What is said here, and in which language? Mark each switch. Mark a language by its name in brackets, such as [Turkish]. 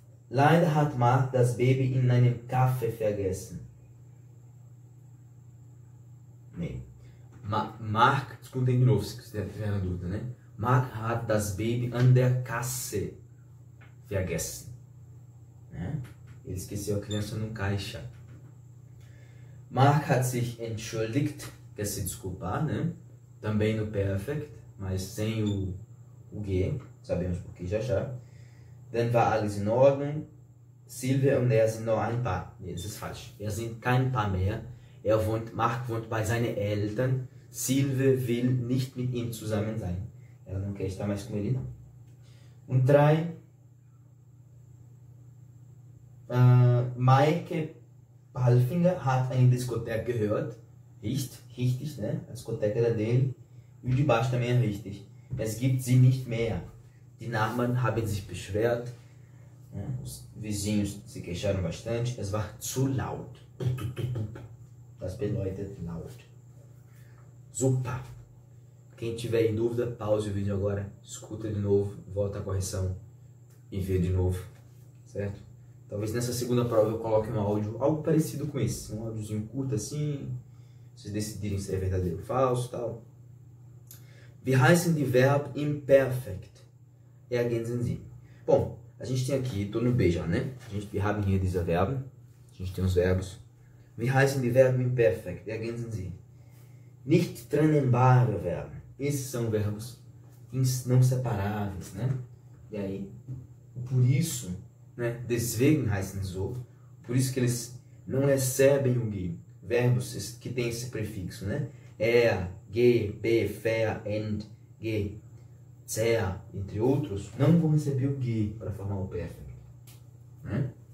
[German] Leider hat Mark das Baby in einem Kaffee vergessen. [Portuguese] Nee. Mark, escutem de novo, se tiver na dúvida, né? [German] Mark hat das Baby an der Kasse. Vergessen, né? [Portuguese] Ele esqueceu a criança no caixa. [German] Mark hat sich entschuldigt, [Portuguese] quer se desculpar, [German] né? [Portuguese] Também no perfect, mas sem o G, sabemos por que já já. [German] Dann war alles in Ordnung. Silvia und er sind noch ein Paar. Nee, das ist falsch. Er sind kein Paar mehr. Mark wohnt bei seinen Eltern. Silvia will nicht mit ihm zusammen sein. [Portuguese] Ela não quer estar mais com ele, não. [German] Und drei. Maike Palfinger hat eine Diskothek gehört. [Portuguese] Richtig, né? A discoteca era dele. E o de baixo também é richtig. [German] Es gibt sie nicht mehr. Die Nachbarn haben sich beschwert. [Portuguese] Os vizinhos se queixaram bastante. [German] Es war zu laut. Das bedeutet laut. Super. [Portuguese] Quem tiver em dúvida, pause o vídeo agora, escuta de novo, volta à correção e vê de novo, certo? Talvez nessa segunda prova eu coloque um áudio algo parecido com esse, um áudiozinho curto assim, vocês decidirem se é verdadeiro ou falso, tal. [German] Wie heißen die Verb imperfekt? Ergänzen Sie. [Portuguese] Bom, a gente tem aqui, tô no B já, né? A gente, [German] wir haben hier diese Verben, [Portuguese] a gente tem os verbos. [German] Wie heißen die Verb imperfekt? Ergänzen Sie. Nicht trennbare Verben. [Portuguese] Esses são verbos não separáveis, né? E aí, por isso, né? [German] Deswegen heißen so, [Portuguese] por isso que eles não recebem o ge. Verbos que têm esse prefixo, né? Er, ge, be, fer, end, ge, zer, entre outros, não vão receber o ge para formar o perfect. Né?